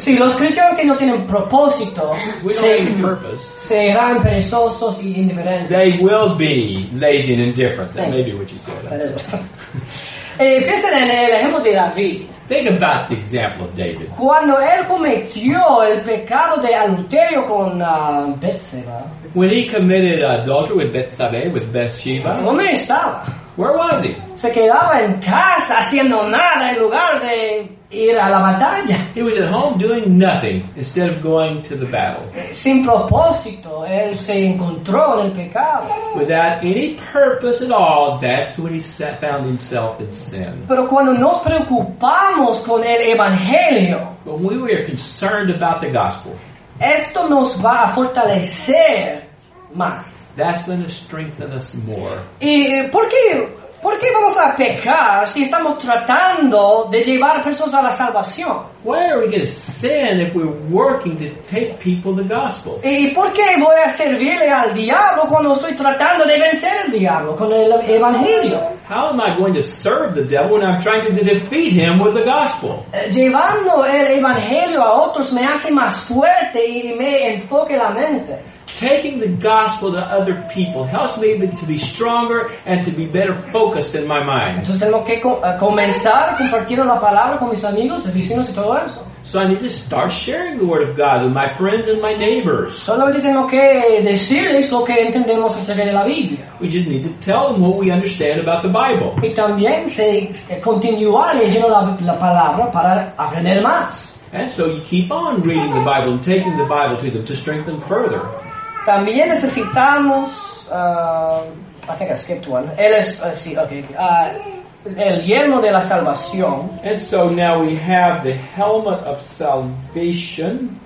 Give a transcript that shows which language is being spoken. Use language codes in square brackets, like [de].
[es] Sí, los cristianos que no tienen propósito, serán perezosos y indiferentes. [en] They will be lazy and indifferent. That may be what you said. [es] Piensen en el ejemplo de David. [en] Think about the example of David. [es] Cuando él cometió el pecado de adulterio con Bathsheba. [en] When he committed adultery with Bathsheba, [es] ¿dónde estaba? [en] Where was he? [es] Se quedaba en casa haciendo nada en lugar de ir a la batalla. [en] He was at home doing nothing instead of going to the battle. [es] Sin propósito, él se encontró en el pecado. [en] Without any purpose at all, that's when he found himself in sin. [es] Pero cuando nos preocupamos con el evangelio, [en] when we were concerned about the gospel, [es] esto nos va a fortalecer más. [en] That's going to strengthen us more. [es] ¿Y por qué vamos a pecar si estamos tratando de llevar a personas a la salvación? [en] Why are we going to sin if we're working to take people the gospel? [es] ¿Y por qué voy a servirle al diablo cuando estoy tratando de vencer al diablo con el evangelio? [en] How am I going to serve the devil when I'm trying to defeat him with the gospel? [es] Llevando el evangelio a otros me hace más fuerte y me enfoca la mente. [en] Taking the gospel to other people helps me to be stronger and to be better focused in my mind. [es] Entonces tengo que comenzar compartiendo la palabra con mis amigos, vecinos y todo eso. [en] So I need to start sharing the word of God with my friends and my neighbors. [es] Solamente tengo que decirles lo que entendemos acerca de la Biblia. [en] We just need to tell them what we understand about the Bible. [es] Y también continuar leyendo la palabra para aprender más. [en] And so you keep on reading the Bible and taking the Bible to them to strengthen further. [es] También necesitamos, [en] I think I skipped one. [es] Él es, sí, okay. El yelmo de la salvación. [en] And so now we have the helmet of salvation.